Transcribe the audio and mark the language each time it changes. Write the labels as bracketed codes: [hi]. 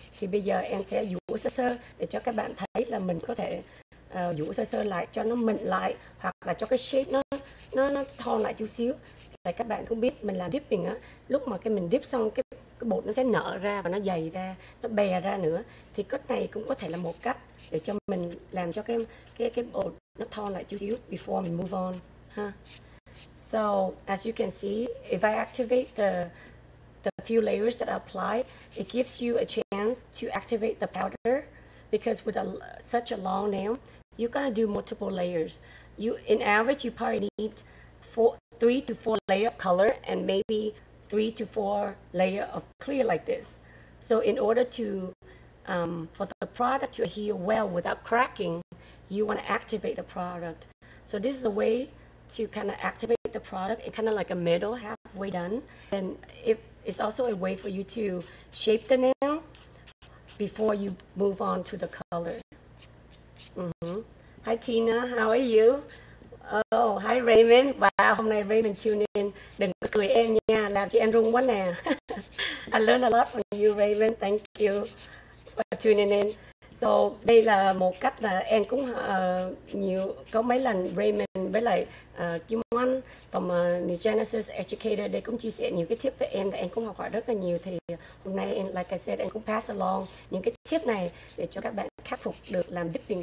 [vi] Thì bây giờ em sẽ vuốt sơ sơ để cho các bạn thấy là mình có thể vuốt sơ sơ lại cho nó mịn lại, hoặc là cho cái shape nó thon lại chút xíu. Tại các bạn cũng biết mình làm dipping á, lúc mà cái mình dip xong cái bột nó sẽ nở ra và nó dày ra, nó bè ra nữa. Thì cách này cũng có thể là một cách để cho mình làm cho cái bột nó thon lại chút xíu before mình move on ha. [en] So as you can see, if I activate the few layers that I apply, it gives you a chance to activate the powder, because with such a long nail, you're gonna do multiple layers. You in average you probably need 3 to 4 layer of color and maybe 3 to 4 layer of clear like this. So in order to for the product to adhere well without cracking, you want to activate the product. So this is a way to kind of activate the product, it kind of like a middle halfway done. And it's also a way for you to shape the nail before you move on to the color. Mm-hmm. Hi Tina, how are you? Oh, hi Raymond. [vi] Wow, hôm nay Raymond tune in. Đừng có cười em nha, làm chị em rung quá nè. [en] I learned a lot from you Raymond, thank you for tuning in. [vi] So đây là một cách là em cũng nhiều, có mấy lần Raymond với lại Kim Anh from New Genesis Educator, đây cũng chia sẻ nhiều cái tip với em, em cũng học hỏi rất là nhiều. Thì hôm nay em, [en] like I said, [vi] em cũng pass along những cái tip này để cho các bạn khắc phục được làm dipping.